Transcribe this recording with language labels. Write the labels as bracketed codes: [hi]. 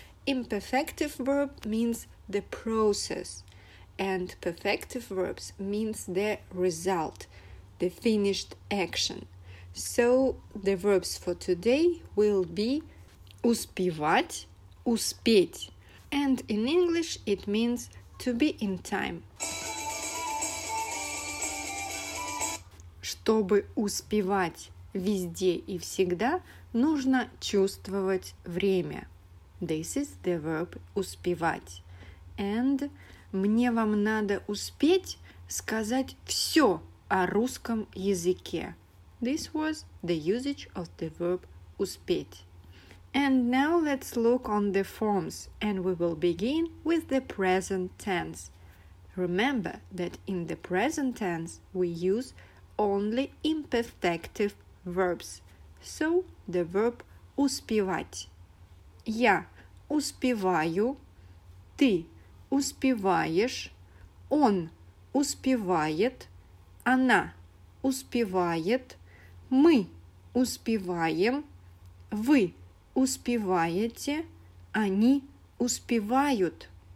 [en] Imperfective verb means the process and perfective verbs means the result, the finished action. So the verbs for today will be успевать, успеть. And in English it means to be in time. [ru] Чтобы успевать везде и всегда, нужно чувствовать время. [en] This is the verb успевать. And [ru] мне вам надо успеть сказать все о русском языке. [en] This was the usage of the verb успеть. And now let's look on the forms, and we will begin with the present tense. Remember that in the present tense we use only imperfective verbs. So the verb успевать. [ru] Я успеваю, ты успеваешь, он успевает, она успевает, мы успеваем, вы успеваете, они успевают.